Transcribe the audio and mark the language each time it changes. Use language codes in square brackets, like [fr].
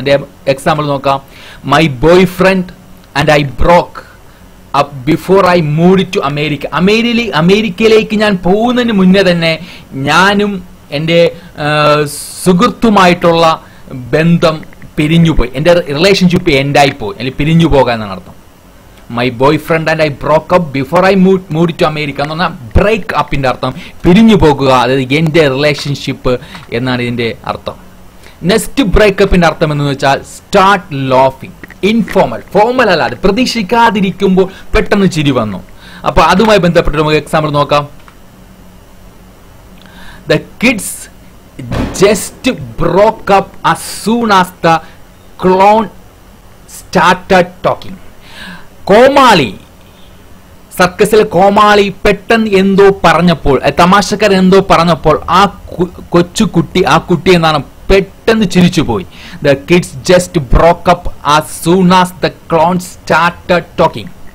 [ml] എൻ്റെ എക്സാമ്പിൾ നോക്കാം. [en] My boy friend and I broke up before I moved to America. [ml] അമേരിക്കയിലേക്ക് ഞാൻ പോകുന്നതിന് മുന്നേ തന്നെ ഞാനും എൻ്റെ സുഹൃത്തുമായിട്ടുള്ള ബന്ധം പിരിഞ്ഞുപോയി, എൻ്റെ റിലേഷൻഷിപ്പ് എൻഡായിപ്പോയി, അല്ലെങ്കിൽ പിരിഞ്ഞു പോകുക എന്നാണ് അർത്ഥം. [en] My boyfriend and I broke up before I moved to America. [ml] എന്ന് പറഞ്ഞാൽ ബ്രേക്ക് അപ്പിന്റെ അർത്ഥം പിരിഞ്ഞു പോകുക, അതായത് എന്റെ റിലേഷൻഷിപ്പ് എന്നാണ് ഇതിന്റെ അർത്ഥം. നെക്സ്റ്റ് ബ്രേക്കപ്പിന്റെ അർത്ഥം എന്ന് വെച്ചാൽ [en] Start laughing. [ml] ഇൻഫോർമൽ, ഫോർമൽ അല്ലാതെ, പ്രതീക്ഷിക്കാതിരിക്കുമ്പോൾ പെട്ടെന്ന് ചിരി വന്നു. അപ്പൊ അതുമായി ബന്ധപ്പെട്ട് നമുക്ക് എക്സാമ്പിൾ നോക്കാം. [en] The kids just broke up as soon as the clown started talking. [ml] കോമാളി, സർക്കസിലെ കോമാളി പെട്ടെന്ന് എന്തോ പറഞ്ഞപ്പോൾ, തമാശക്കാരൻ എന്തോ പറഞ്ഞപ്പോൾ ആ കൊച്ചുകുട്ടി, ആ കുട്ടി എന്നാണ് പെട്ടെന്ന് ചിരിച്ചു പോയി. [en] The kids just broke up as soon as the clown started talking.